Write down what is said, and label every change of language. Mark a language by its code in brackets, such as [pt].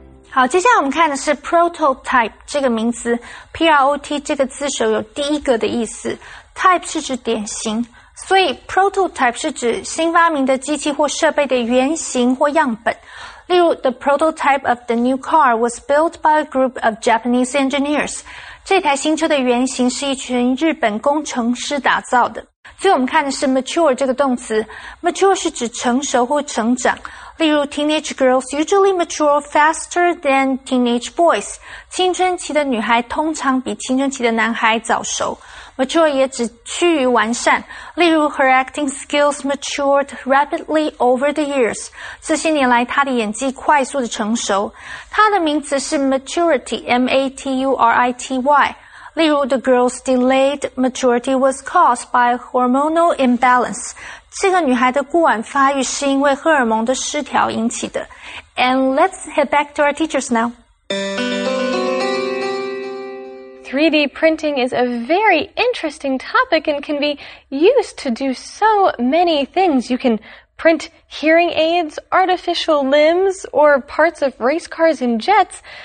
[zh] 好，接下来我们看的是 prototype 这个名词 ,prot 这个字首有第一个的意思 ,type 是指典型。所以 prototype 是指新发明的机器或设备的原型或样本。例如 [en] ,the prototype of the new car was built by a group of Japanese engineers. [zh] 这台新车的原型是一群日本工程师打造的。所以我们看的是 mature 这个动词 ,mature 是指成熟或成长。例如 [en] ,teenage girls usually mature faster than teenage boys. [zh] 青春期的女孩通常比青春期的男孩早熟。 [en] Mature [zh] 也只趋于完善，例如 [en] her acting skills matured rapidly over the years. [zh] 这些年来，她的演技快速的成熟。她的名词是 maturity, M-A-T-U-R-I-T-Y. 例如 [en] the girl's delayed maturity was caused by hormonal imbalance. [zh] 这个女孩的过晚发育是因为荷尔蒙的失调引起的。 [en] And let's head back to our teachers now. 3D printing is a very interesting topic and can be used to do so many things. You can print hearing aids, artificial limbs, or parts of race cars and jets.